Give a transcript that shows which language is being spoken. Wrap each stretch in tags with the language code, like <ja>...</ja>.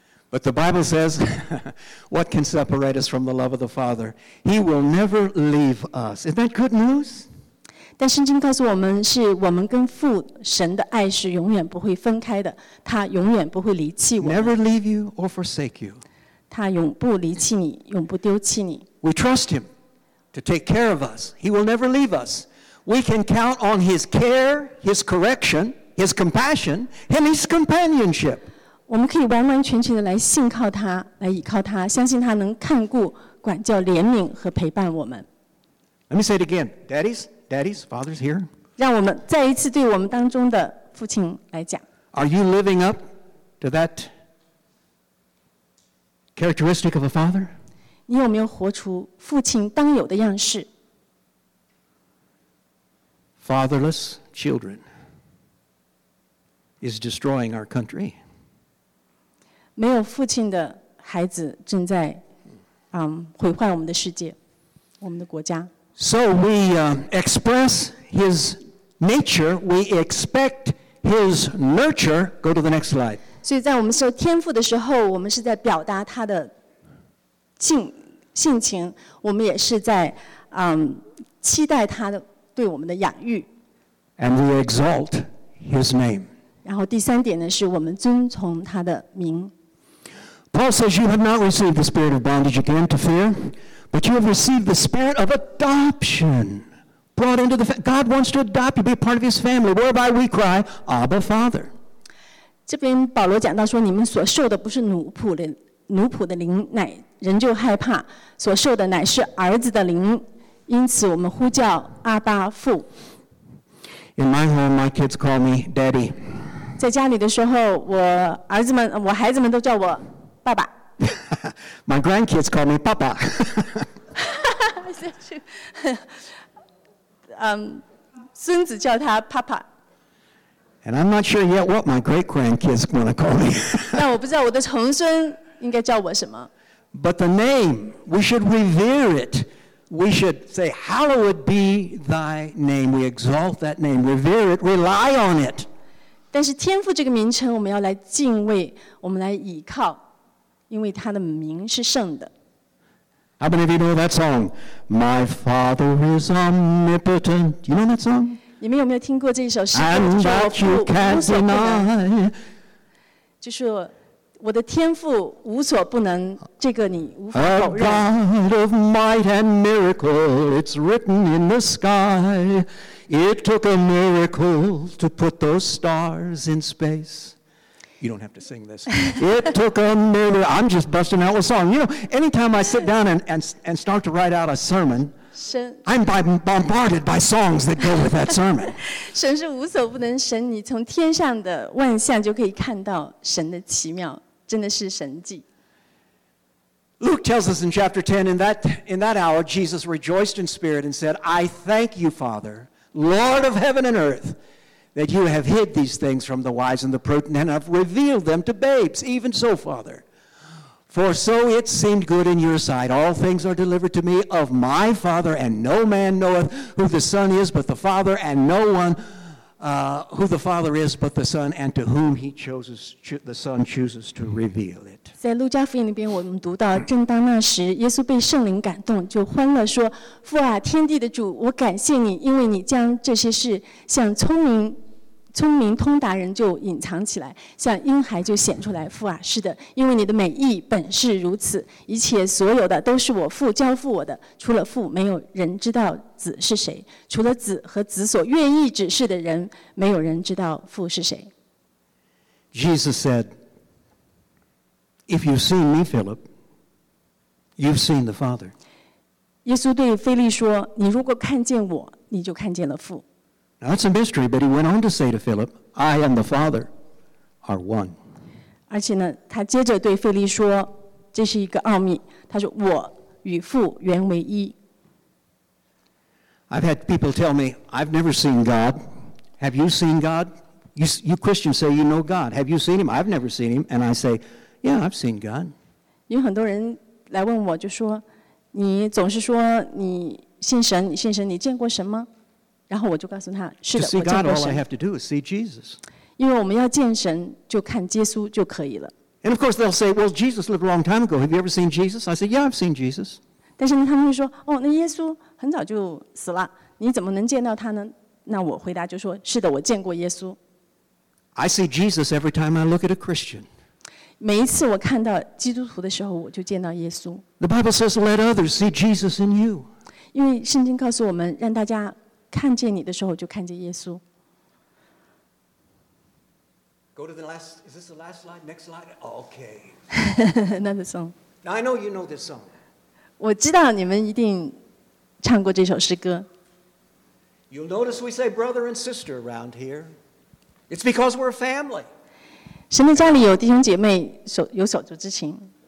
<en>But the Bible says, "What can separate us from the love of the Father? He will never leave us." Is that good news?</en> <zh>但圣经告诉我们，是我们跟父神的爱是永远不会分开的，他永远不会离弃我们。</zh> <en>Never leave you or forsake you.</en> <zh>他永不离弃你，永不丢弃你。</zh> <en>We trust him to take care of us. He will never leave us. We can count on his care, his correction. His compassion and his companionship.</en> <zh>我们可以完完全全的来信靠他，来倚靠他，相信他能看顾、管教、怜悯和陪伴我们。</zh> <en>Let me say it again, daddies, fathers here.</en> <zh>让我们再一次对我们当中的父亲来讲。</zh> <en>Are you living up to that characteristic of a father?</en> <zh>你有没有活出父亲当有的样式</zh> <en>？Fatherless children. Is destroying our country.</en> <zh>没有父亲的孩子正在毁坏我们的世界，我们的国家。</zh> <en>So we express his nature, we expect his nurture. Go to the next slide.</en> <zh>所以在我们受天父的时候，我们是在表达他的性情，我们也是在期待他的对我们的养育。</zh> <en>And we exalt his name.</en> <zh>然后第三点呢，是我们遵从他的名。</zh> <en>Paul says, "You have not received the spirit of bondage again to fear, but you have received the spirit of adoption, brought into the God wants to adopt you, be part of His family, whereby we cry, 'Abba, Father.'"</en> <zh>这边保罗讲到说，你们所受的不是奴仆的灵，乃人就害怕；所受的乃是儿子的灵，因此我们呼叫阿爸父。</zh> <en>In my home, my kids call me Daddy.</en> <zh>在家里的时候，我孩子们都叫我爸爸。</zh> <en>My grandkids call me Papa.</en> <zh>孙子叫他 Papa.</zh> <en>And I'm not sure yet what my great grandkids want to call me.</en> <zh>但我不知道我的重孙应该叫我什么。</zh> <en>But the name, we should revere it. We should say, Hallowed be thy name. We exalt that name, revere it, rely on it.</en> <zh>但是天父这个名称我们要来敬畏，我们来倚靠，因为他的名是圣的。</zh> <en>How many of you know that song? My Father is omnipotent. Do you know that song?</en> <zh>你们有没有听过这一首诗歌？</zh> <en>And that you can't deny.</en> <zh>就是我的天父无所不能，这个你无法否认。</zh> <en>A God of might and miracle, it's written in the sky. It took a miracle to put those stars in space. You don't have to sing this. It took a miracle. I'm just busting out a song. You know, anytime I sit down and start to write out a sermon, I'm bombarded by songs that go with that sermon.</en> <zh>神是无所不能神，你从天上的万象就可以看到神的奇妙，真的是神迹。</zh> <en>Luke tells us in chapter 10, in that hour, Jesus rejoiced in spirit and said, I thank you, Father, Lord of heaven and earth,that you have hid these things from the wise and the prudent and have revealed them to babes. Even so, Father, for so it seemed good in your sight. All things are delivered to me of my Father, and no man knoweth who the Son is but the Father, and no one who the Father is but the Son, and to whom he chooses, the Son chooses to reveal it.</en> <zh>在路加福音里边我们读到，正当那时，耶稣被圣灵感动，就欢乐说，父啊，天地的主，我感谢你，因为你将这些事向聪明通达人就隐藏起来，像婴孩就显出来。父啊，是的，因为你的美意本是如此，一切所有的都是我父交付我的，除了父没有人知道子是谁，除了子和子所愿意指示的人，没有人知道父是谁。</zh> <en>Jesus said, If you've seen me, Philip, you've seen the Father.</en> <zh>耶稣对腓力说，你如果看见我，你就看见了父。</zh> <en>That's a mystery, but he went on to say to Philip, I and the Father are one.</en> <zh>而且呢，他接着对腓力说，这是一个奥秘。他说，我与父原为一。</zh> <en>I've had people tell me, I've never seen God. Have you seen God? You Christians say you know God. Have you seen him? I've never seen him. And I say, yeah, I've seen God.</en> <zh>有很多人来问我，就说，你总是说你信神，你信神，你见过神吗？然后我就告诉他，是的，我见过神。</zh> <en>To see God, all I have to do is see Jesus.</en> <zh>因为我们要见神，就看耶稣就可以了。</zh> <en>And of course they'll say, well, Jesus lived a long time ago. Have you ever seen Jesus? I say, yeah, I've seen Jesus.</en> <zh>但是呢，他们会说，哦，那耶稣很早就死了，你怎么能见到他呢？那我回答就说，是的，我见过耶稣。</zh> <en>I see Jesus every time I look at a Christian.</en> <zh>每一次我看到基督徒的时候，我就见到耶稣。</zh> <en>The Bible says, let others see Jesus in you.</en> <zh>因为圣经告诉我们，让大家看见你的时候就看见耶稣。</zh> <en>Go to the last. Is this the last slide? Next slide. Okay. Another song. Now I know you know this song.</en> <zh>我知道你们一定唱过这首诗歌。</zh> <en>You'll notice we say brother and sister around here. It's because we're a family.</en> <zh>神的家里有弟兄姐妹，有手足之情。</zh>